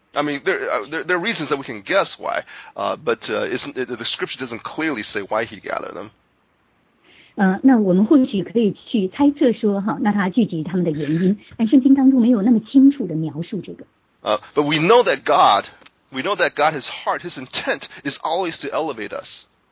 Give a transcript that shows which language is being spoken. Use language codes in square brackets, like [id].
[en] I mean, there are reasons that we can guess why, but the scripture doesn't clearly say why he gathered them. [zh] 那我们或许可以去猜测说那他聚集他们的原因，但圣经当中没有那么清楚的描述这个。 [en] But we know that God we know that God, his heart, his intent is always to elevate us.